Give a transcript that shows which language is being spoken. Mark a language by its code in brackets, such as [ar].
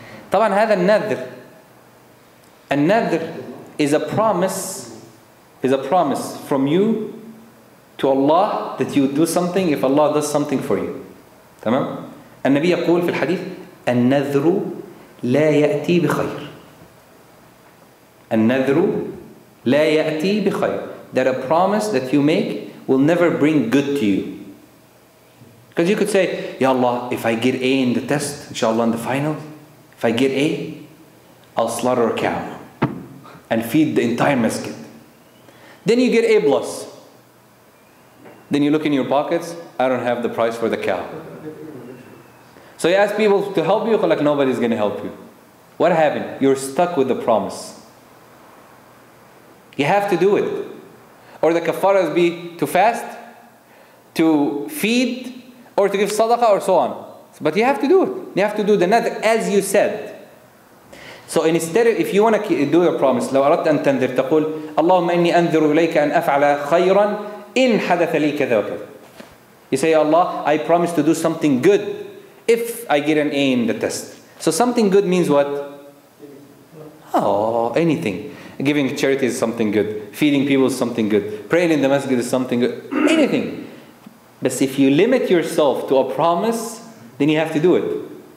[ar] طبعا هذا النذر, النذر [en] is a promise, from you to Allah that you do something if Allah does something for you. [ar] تمام؟ النبي يقول في الحديث النذر لا يأتي بخير. النذر لا يأتي بخير. [en] That a promise that you make will never bring good to you. Because you could say, Ya Allah, if I get A in the test, inshallah in the final, if I get A, I'll slaughter a cow and feed the entire masjid. Then you get A plus. Then you look in your pockets, I don't have the price for the cow. So you ask people to help you, like nobody's going to help you. What happened? You're stuck with the promise. You have to do it. Or the kafara is be to fast, to feed, or to give sadaqah or so on. But you have to do it. You have to do the nadr as you said. So instead, if you want to do your promise, [ar] لو أردت أن تنذر تقول اللهم إني أنذر إليك أن أفعل خيرا إن حدث لي كذا وكذا. [en] You say, Allah, I promise to do something good if I get an A in the test. So something good means what? Oh, anything. Giving charity is something good. Feeding people is something good. Praying in the masjid is something good. Anything. But if you limit yourself to a promise, then you have to do it.